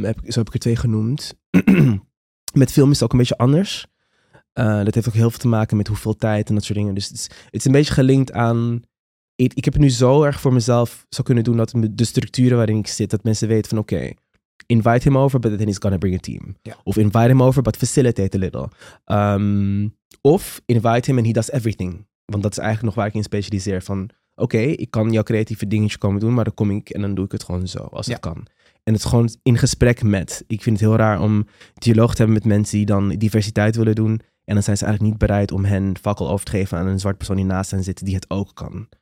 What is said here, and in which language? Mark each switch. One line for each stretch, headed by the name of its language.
Dutch: Zo heb ik er twee genoemd. Met film is het ook een beetje anders. Dat heeft ook heel veel te maken met hoeveel tijd en dat soort dingen. Dus het is een beetje gelinkt aan... Ik heb het nu zo erg voor mezelf zou kunnen doen dat de structuren waarin ik zit, dat mensen weten van oké,
English: invite him over, but then he's gonna bring a team. Yeah. Of invite him over, but facilitate a little. Of invite him and he does everything.
Dutch: Want dat is eigenlijk nog waar ik in specialiseer van oké, ik kan jouw creatieve dingetje komen doen, maar dan kom ik en dan doe ik het gewoon zo, als het kan. En het gewoon in gesprek met. Ik vind het heel raar om dialoog te hebben met mensen die dan diversiteit willen doen. En dan zijn ze eigenlijk niet bereid om hen fakkel over te geven aan een zwart persoon die naast hen zit die het ook kan.